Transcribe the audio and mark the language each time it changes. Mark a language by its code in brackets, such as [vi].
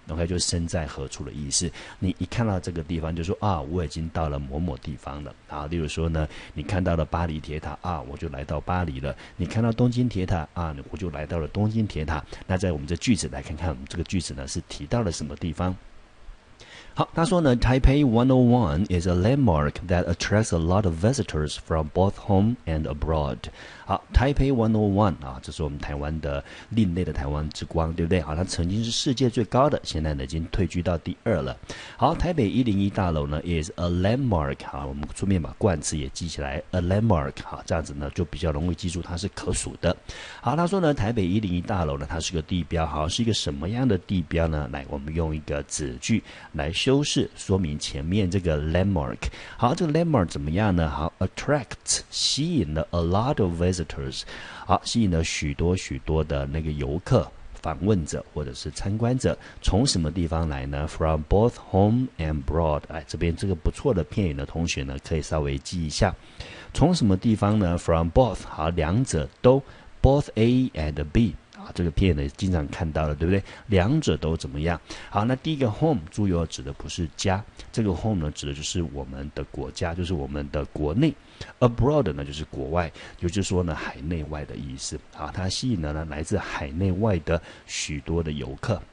[zh] OK， 就身在何处的意思，你一看到这个地方就说啊，我已经到了某某地方了。好，例如说呢，你看到了巴黎铁塔啊，我就来到巴黎了。你看到东京铁塔啊，我就来到了东京铁塔。那在我们这句子来看看，这个句子呢是提到了什么地方。好，他说呢 [en] Taipei 101 is a landmark that attracts a lot of visitors from both home and abroad。 [zh] 好， Taipei 101、这是我们台湾的另类的台湾之光，对不对？好，它曾经是世界最高的，现在呢已经退居到第二了。好，台北101大楼呢 [en] is a landmark。 [zh] 好，我们顺便把冠词也记起来， [en] a landmark。 [zh] 好，这样子呢就比较容易记住它是可数的。好，他说呢台北101大楼呢它是个地标。好，是一个什么样的地标呢？来，我们用一个子句来修饰说明前面这个 landmark。好，这个 landmark 怎么样呢？好， [en] attracts [zh] 吸引了 [en] a lot of visitors。 [zh] 好，吸引了许多许多的那个游客、访问者或者是参观者，从什么地方来呢？ [en] from both home and abroad。 [zh] 哎，这边这个不错的片语的同学呢可以稍微记一下，从什么地方呢？ [en] from both。 [zh] 好，两者都， [en] both A and B。 [zh] 这个片呢经常看到了，对不对？两者都怎么样？好，那第一个 home 注意哦，指的不是家，这个 home 呢指的就是我们的国家，就是我们的国内。 abroad 呢就是国外，也就是说呢海内外的意思。好，它吸引了呢来自海内外的许多的游客。